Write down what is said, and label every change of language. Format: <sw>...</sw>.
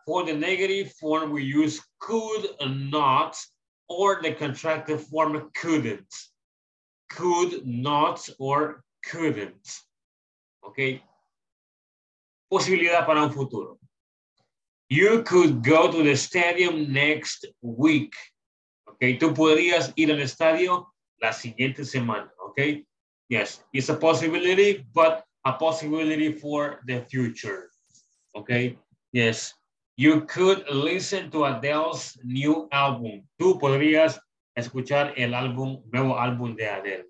<en>For the negative form, we use could not, or the contractive form couldn't. Could not or couldn't. Okay.</en> <es>Posibilidad para un futuro.</es> <en>You could go to the stadium next week.</en> <es>Okay, tú podrías ir al estadio la siguiente semana.</es> <en>Okay, yes, it's a possibility, but a possibility for the future. Okay, yes, you could listen to Adele's new album.</en> <es>Tú podrías escuchar el álbum, nuevo álbum de Adele.</es>